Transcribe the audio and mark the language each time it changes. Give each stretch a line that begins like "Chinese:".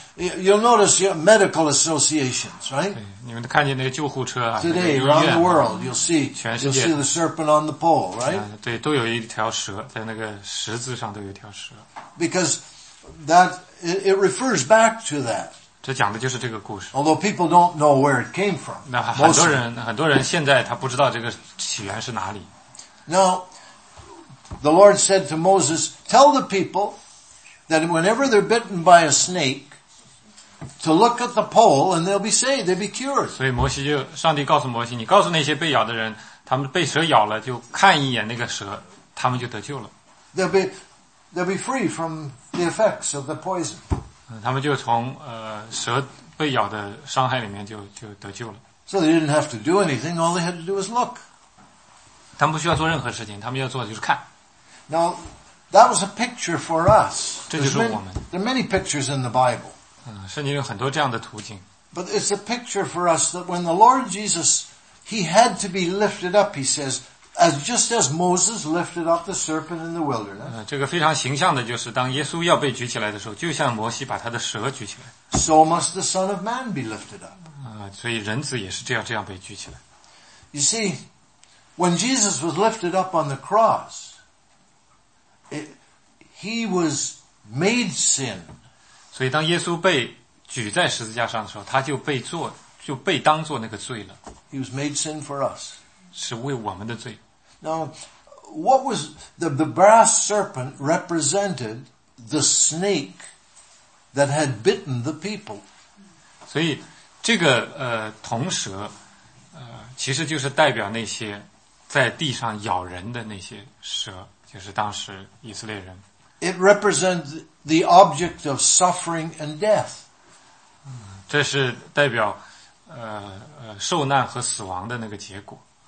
English: You'll notice your medical associations, right?
Chinese: 你们看见那个救护车啊，
English: Today,
Chinese: 那个、
English: around the world, you'll see the serpent on the pole, right?
Chinese: 对，都有一条蛇在那个十字上，都有一条蛇。
English: Because that it refers back to that.
Chinese: 这讲的就是这个故事。
English: Although people don't know where it came from.
Chinese: 那很多人现在他不知道这个起源是哪里。
English: Now, the Lord said to Moses, "Tell the people that whenever they're bitten by a snake." To look at the pole, and they'll be saved. They'll be cured.
Chinese: 所以摩西就上帝告诉摩西，你告诉那些被咬的人，他们被蛇咬了，就看一眼那个蛇，他们就得救了。
English: They'll be free from the effects of the poison.
Chinese: 他们就从蛇被咬的伤害里面就得救了。
English: So they didn't have to do anything. All they had to do was look.
Chinese: 他们不需要做任何事情，他们要做的就是看。
English: Now that was a picture for us.
Chinese: 这就是我们。
English: There are many pictures in the Bible.
Chinese: 圣经有很多这样的图景。
English: But it's a picture for us that when the Lord Jesus, he had to be lifted up, he says, as just as Moses lifted up the serpent in the wilderness.
Chinese: 这个非常形象的就是当耶稣要被举起来的时候，就像摩西把他的蛇举起来。
English: So must the Son of Man be lifted up.
Chinese: 所以人子也是这样被举起来。
English: You see, when Jesus was lifted up on the cross, he was made sin.
Chinese: 所以当耶稣被举在十字架上的时候，他就被当作那个罪了。
English: He was made sin for us.
Chinese: 是为我们的罪。
English: Now, what was the brass serpent represented the snake that had bitten the people?
Chinese: 所以这个铜蛇其实就是代表那些在地上咬人的那些蛇，就是当时以色列人。
English: It represents the object of suffering and death.
Chinese: 这是代表受难和死亡的那个结果。